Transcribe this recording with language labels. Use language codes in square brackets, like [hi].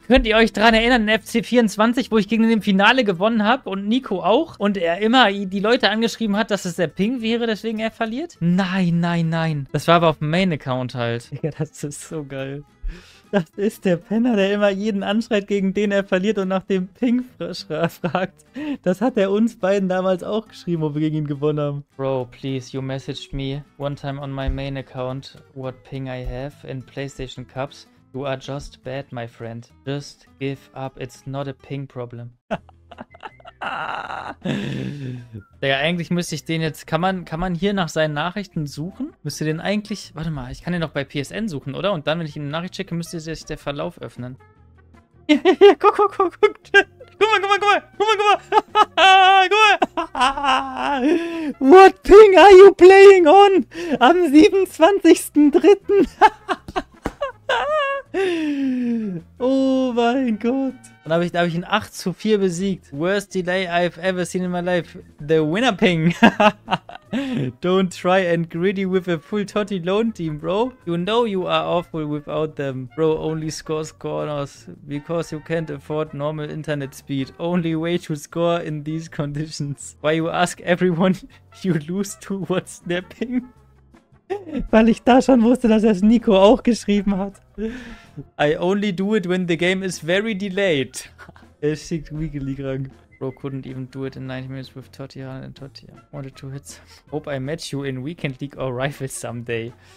[de] Könnt ihr euch daran erinnern, in FC24, wo ich gegen ihn im Finale gewonnen habe und Nico auch und er immer die Leute angeschrieben hat, dass es der Ping wäre, deswegen er verliert? Nein, nein, nein. Das war aber auf dem Main-Account halt. Digga, das ist so geil. Das ist der Penner, der immer jeden anschreit, gegen den er verliert und nach dem Ping fragt. Das hat er uns beiden damals auch geschrieben, wo wir gegen ihn gewonnen haben. [en] Bro, please, you messaged me one time on my main account, what ping I have in PlayStation Cups. You are just bad, my friend. Just give up, it's not a ping problem. [de] Ja, eigentlich müsste ich den jetzt, kann man hier nach seinen Nachrichten suchen? Müsste den eigentlich, warte mal, ich kann den doch bei PSN suchen, oder? Und dann, wenn ich ihm eine Nachricht schicke, müsste sich der Verlauf öffnen. Ja, guck, guck, guck, guck. Guck mal. Guck mal. [en] What ping are you playing on? [de] Am 27.03. Oh mein Gott. Dann habe ich ihn 8 zu 4 besiegt. [en] Worst delay I've ever seen in my life. The winner ping. Don't try and greedy with a full Totti loan team, bro. You know you are awful without them. Bro only scores corners because you can't afford normal internet speed. Only way to score in these conditions. Why you ask everyone you lose to what's their ping? [de] Weil ich da schon wusste, dass er es Nico auch geschrieben hat. [en] I only do it when the game is very delayed. [de] Er schickt Weekly krank. [en] Bro couldn't even do it in 90 minutes with Totti and Totti. Wanted two hits. Hope I match you in Weekend League or Rivals someday.